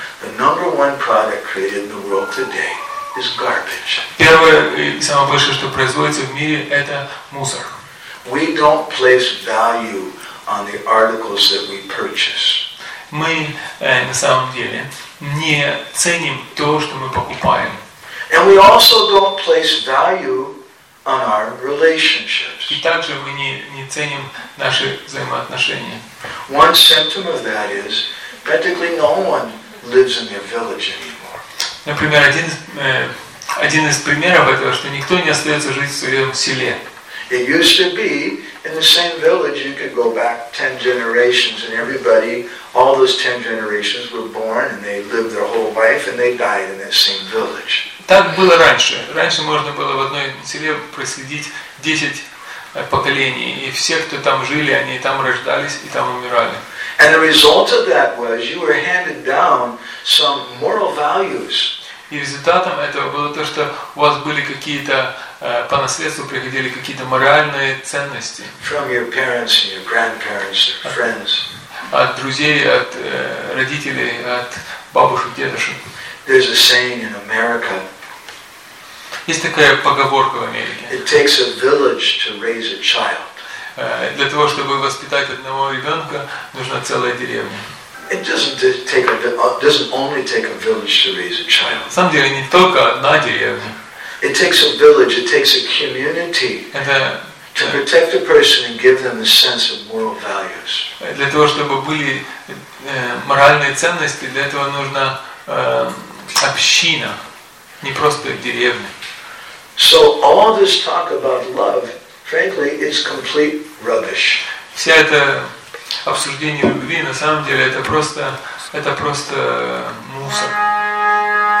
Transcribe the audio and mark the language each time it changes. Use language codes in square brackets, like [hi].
[en] The number one product created in the world today is garbage. [ru] Первое и самое большое, что производится в мире, это мусор. [en] We don't place value on the articles that we purchase. [ru] Мы на самом деле не ценим то, что мы покупаем. [en] And we also don't place value on our relationships. [ru] И также мы не ценим наши взаимоотношения. [en] One symptom of that is practically no one lives in their village anymore. [ru] Например, один из примеров этого, что никто не остается жить в своем селе. [en] It used to be in the same village you could go back 10 generations and everybody, all those 10 generations were born and they lived their whole life and they died in that same village. [ru] Так было раньше. Раньше можно было в одной селе проследить 10 поколений, и все, кто там жили, они там рождались и там умирали. [en] And the result of that was you were handed down some moral values. [ru] И результатом этого было то, что у вас были какие-то по наследству приходили какие-то моральные ценности. [en] From your parents and your grandparents, your friends. [ru] От друзей, от родителей, от бабушек, дедушек. [en] There's a saying in America. [ru] Есть такая поговорка в Америке. [en] It takes a village to raise a child. [ru] Для того, чтобы воспитать одного ребенка, нужна целая деревня. [en] It doesn't only take a village to raise a child. [ru] На самом деле, не только одна деревня. [en] It takes a village, it takes a community. To protect a person and give them the sense of moral values. [ru] Для того, чтобы были моральные ценности, для этого нужна община, не просто деревня. [en] So all this talk about love, frankly, is complete rubbish. [ru] Вся это обсуждение любви, на самом деле, это просто мусор.